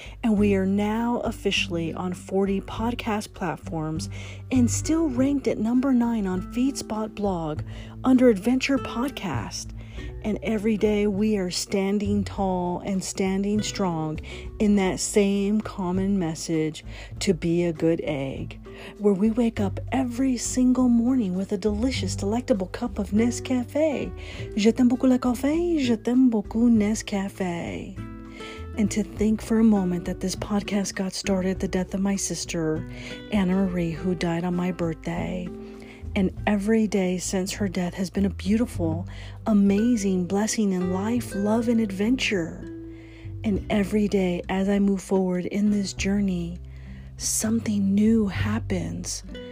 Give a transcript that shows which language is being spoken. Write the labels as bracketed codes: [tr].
[en] And we are now officially on 40 podcast platforms and still ranked at number 9 on Feedspot blog under Adventure Podcast. And every day we are standing tall and standing strong in that same common message to be a good egg, where we wake up every single morning with a delicious, delectable cup of Nescafé. [fr] Je t'aime beaucoup le café, je t'aime beaucoup Nescafé. [en] And to think for a moment that this podcast got started at the death of my sister, Anna Marie, who died on my birthday. And every day since her death has been a beautiful, amazing blessing in life, love, and adventure. And every day as I move forward in this journey, something new happens.